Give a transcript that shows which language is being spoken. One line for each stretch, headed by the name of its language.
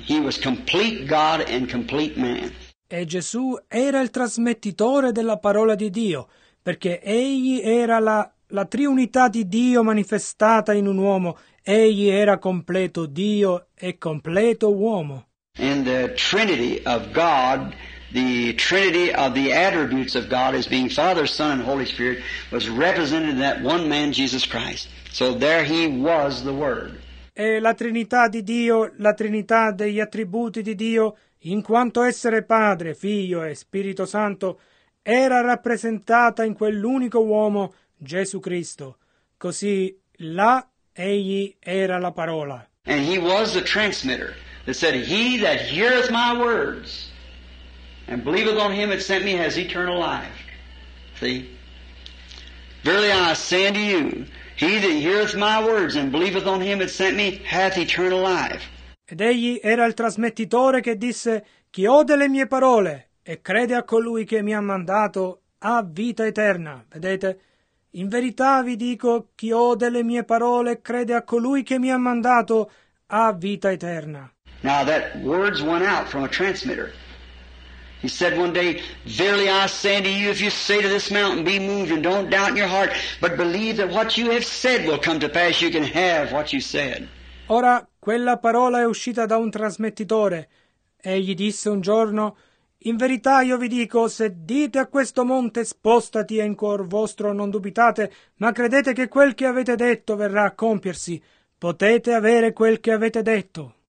English: He was complete God and complete man.
Italian: E Gesù era il trasmettitore della parola di Dio, perché egli era la triunità di Dio manifestata in un uomo. Egli era completo Dio e completo uomo.
English: And the Trinity of God, the Trinity of the attributes of God as being Father, Son, and Holy Spirit was represented in that one man, Jesus Christ. So there he was, the Word.
Italian: E la Trinità di Dio, la Trinità degli attributi di Dio, in quanto essere Padre, Figlio e Spirito Santo, era rappresentata in quell'unico uomo, Gesù Cristo. Così là egli era la parola.
English: And he was the transmitter that said, He that heareth my words and believeth on him that sent me has eternal life. See? Verily I say unto you, he that heareth my words and believeth on him that sent me hath eternal life.
Italian: Ed egli era il trasmettitore che disse, chi ode le mie parole e crede a colui che mi ha mandato ha vita eterna. Vedete? In verità vi dico, chi ode le mie parole e crede a colui che mi ha mandato ha vita eterna.
English: Now that words went out from a transmitter. He said one day, Verily I say unto you, if you say to this mountain, Be moved, and don't doubt in your heart, but believe that what you have said will come to pass, you can have what you said.
Italian: Ora, quella parola è uscita da un trasmettitore. Egli disse un giorno, In verità io vi dico, se dite a questo monte, spostati e in cuor vostro, non dubitate, ma credete che quel che avete detto verrà a compiersi. Potete avere quel che avete detto.